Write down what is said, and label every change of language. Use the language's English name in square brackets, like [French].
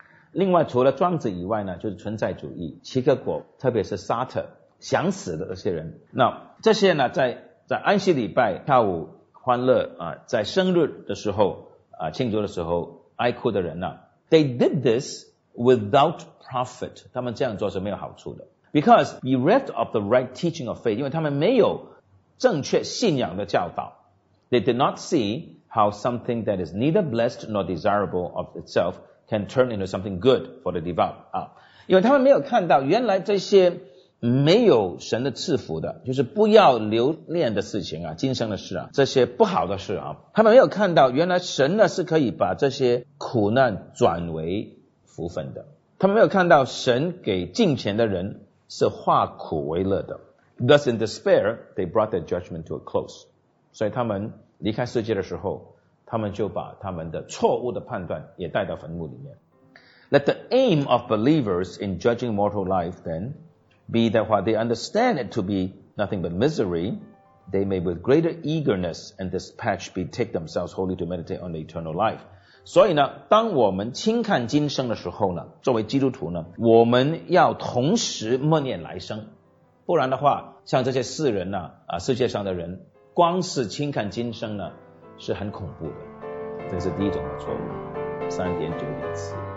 [Chinese] 另外除了庄子以外呢，就是存在主义齐格果，特别是沙特想死的那些人。那这些呢在安息礼拜跳舞欢乐啊，在生日的时候啊庆祝的时候哀哭的人呢， [English] They did this without profit， [Chinese] 他们这样做是没有好处的。 [English] Because bereft of the right teaching of faith, [Chinese] 因为他们没有正确信仰的教导。 [English] They did not see how something that is neither blessed nor desirable of itself can turn into something good for the devout.、 [Chinese] 啊、因为他们没有看到原来这些没有神的赐福的，就是不要留恋的事情啊，今生的事啊，这些不好的事啊，他们没有看到原来神呢是可以把这些苦难转为福分的。他们没有看到神给敬虔的人是化苦为乐的。 [English] Thus in despair, they brought their judgment to a close. [Chinese] 所以他们离开世界的时候，他们就把他们的错误的判断也带到坟墓里面。 [English] Let the aim of believers in judging mortal life then be that while they understand it to be nothing but misery, they may with greater eagerness and dispatch betake themselves wholly to meditate on the eternal life. [Chinese] 所以呢，当我们轻看今生的时候呢，作为基督徒呢，我们要同时默念来生，不然的话，像这些世人呢，啊，世界上的人，光是轻看今生呢，是很恐怖的。这是第一种的错误，3.9点次。